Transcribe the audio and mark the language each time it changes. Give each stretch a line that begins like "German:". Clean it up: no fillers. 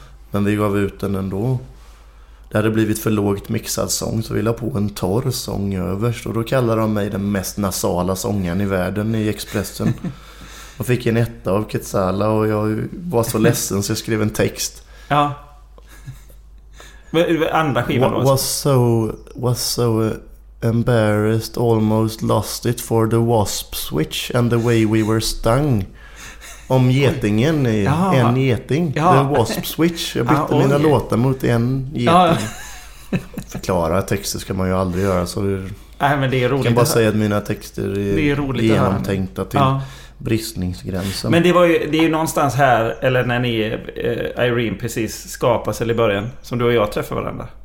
Swedish: Men vi gav ut den ändå. Det hade blivit för lågt mixad sång, så vi la på en torr sång överst, och då kallade de mig den mest nasala sången i världen i Expressen. Och fick en etta av Ketsala, och jag var så ledsen så jag skrev en text. Ja. Andra skivan då.
English: Was so embarrassed, almost lost it for the wasp switch and the way we were stung.
Swedish: Om getingen i en geting. Ja.
English: The wasp switch.
Swedish: Jag bytte mina låtar mot en geting. Ja. Förklara texter ska man ju aldrig göra. Så det, nej, men det är roligt. Jag kan bara säga att mina texter är genomtänkta till bristningsgränsen. Men det är ju någonstans här, eller när ni Irene precis skapas, eller i början, som du och jag träffar varandra.